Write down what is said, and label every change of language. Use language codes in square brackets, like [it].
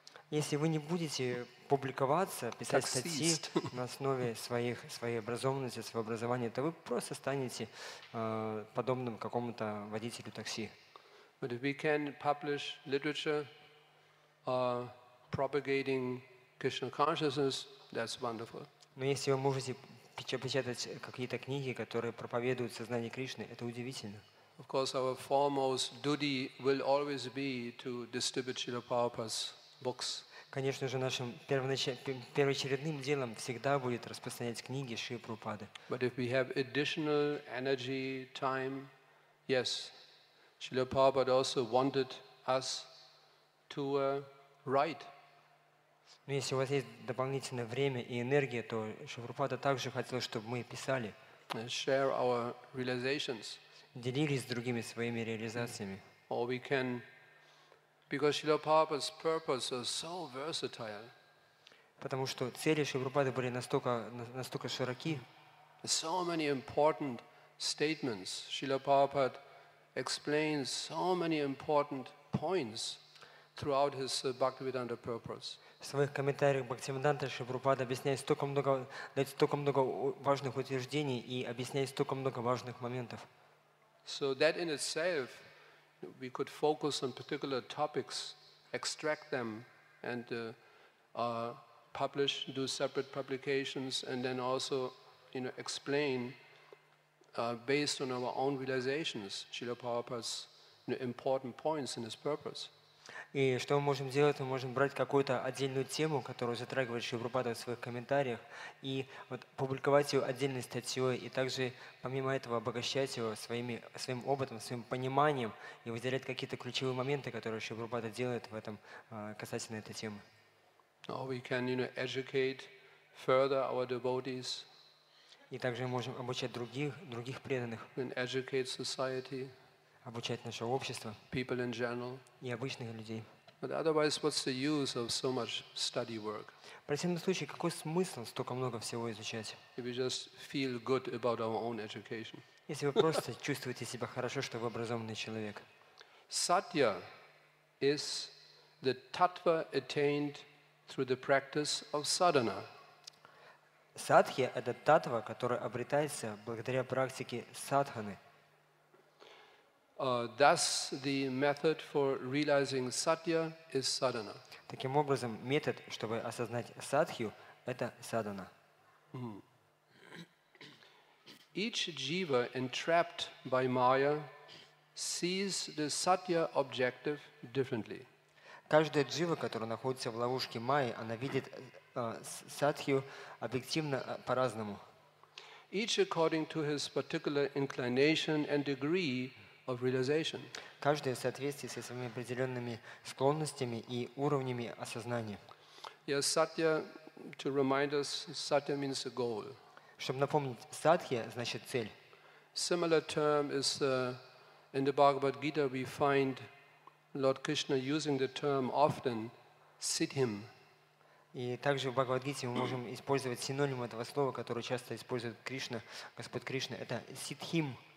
[ru] Если вы не будете публиковаться, писать статьи на основе своей образованности, своего образования, то вы просто станете подобным какому-то водителю такси. [en] But if we can publish literature, propagating Krishna consciousness, that's wonderful. [ru] Но если вы можете печатать какие-то книги, которые проповедуют сознание Кришны, это удивительно. [en] Of course, our foremost duty will always be to distribute Srila Prabhupada's books. [ru] Конечно же, нашим первоочередным делом всегда будет распространять книги Шрилы Прабхупады. [en] But if we have additional energy, time, yes, Srila Prabhupada also wanted us to write. [ru] Но если у вас есть дополнительное время и энергия, то Шрила Прабхупада также хотел, чтобы мы писали. [en] Share our realizations. [ru] Делились с другими своими реализациями. [en] Or we can, because Srila Prabhupada's purpose is so versatile. [ru] Потому что цели Шрила Прабхупады были настолько широки. [en] So many important statements. Srila Prabhupada explains so many important points throughout his Bhaktivedanta purpose. [ru] В своих комментариях Бхактивиданта Шрила Прабхупада объясняет столько много важных утверждений и объясняет столько много важных моментов. [en] So that in itself, we could focus on particular topics, extract them, and publish, do separate publications, and then also, you know, explain based on our own realizations, Srila Prabhupada's, you know, important points in his purpose. [ru] И что мы можем делать? Мы можем брать какую-то отдельную тему, которую затрагивает Шрила Прабхупада в своих комментариях, и вот публиковать ее отдельной статьей, и также, помимо этого, обогащать его своим опытом, своим пониманием, и выделять какие-то ключевые моменты, которые Шрила Прабхупада делает в этом, касательно этой темы. [en] Or we can, you know, educate further our devotees. [ru] И также мы можем обучать других преданных. [en] And educate society. [ru] Обучать наше общество, [en] people in general, [ru] и обычных людей. [en] But otherwise, what's the use of so much study work? [ru] В противном случае, какой смысл столько много всего изучать? [en] If we just feel good about our own education. [ru] Если вы просто чувствуете себя хорошо, что вы образованный человек. [en] Satya is the tattva attained through the practice of sadhana. [ru] Сатхи – это таттва, которая обретается благодаря практике садханы. [en] Thus, the method for realizing satya is sadhana. [ru] Таким образом, метод, чтобы осознать садхью, это садхана. [en] Each jiva entrapped by maya sees the satya objective differently. [ru] Каждая джива, которая находится в ловушке майи, она видит садхью объективно по-разному. [en] Each according to his particular inclination and degree of realization. [ru] Каждый в соответствии со своими определенными склонностями и уровнями осознания. [en] Yes, satya, to remind us, satya means a goal. [ru] Чтобы напомнить, садхья значит цель. [en] Similar term is in the Bhagavad Gita we find Lord Krishna using the term often, siddhim. [ru] И также в Бхагавад Гите мы можем использовать синоним этого слова, которое часто использует Кришна, Господь Кришна, это сиддхим.